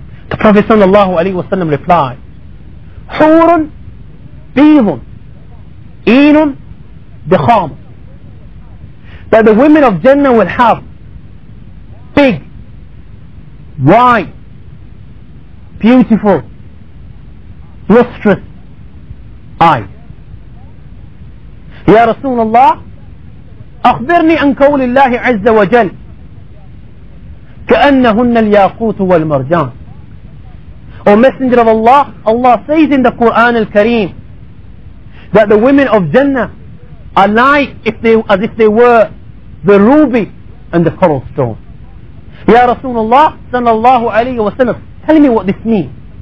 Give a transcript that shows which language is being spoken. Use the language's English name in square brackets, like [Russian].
[English] The Prophet sallallahu alayhi wa sallam replied, [Arabic] Hurun, Bidun, Inun, Dikham. [English] That the women of Jannah will have big, white, beautiful, lustrous eyes. [Arabic] Ya Rasulullah, أخبرني عن قول الله عز وجل كأنهن الياقوت والمرجان. [English] O Messenger of Allah, Allah says in the Quran al-Kareem that the women of Jannah are like if they, as if they were the ruby and the coral stone. Ya Rasulullah sallallahu alayhi wa sallam, tell me what this means.